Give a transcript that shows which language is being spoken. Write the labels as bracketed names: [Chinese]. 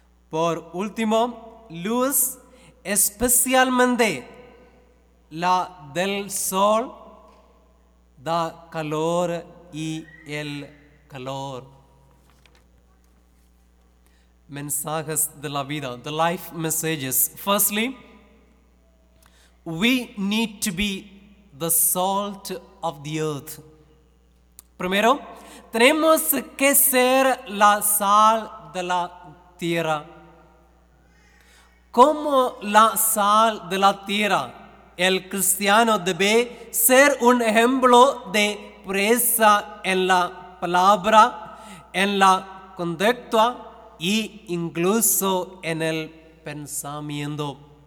[Spanish] Por último, luz, especialmente la del sol, da calor y el calor. Mensajes de la vida, [English] the life messages. Firstly, we need to be the salt of the earth. [Spanish] Primero, tenemos que ser la sal de la tierra. Como la sal de la tierra, el cristiano debe ser un ejemplo de pureza en la palabra, en la conducta e incluso en el pensamiento.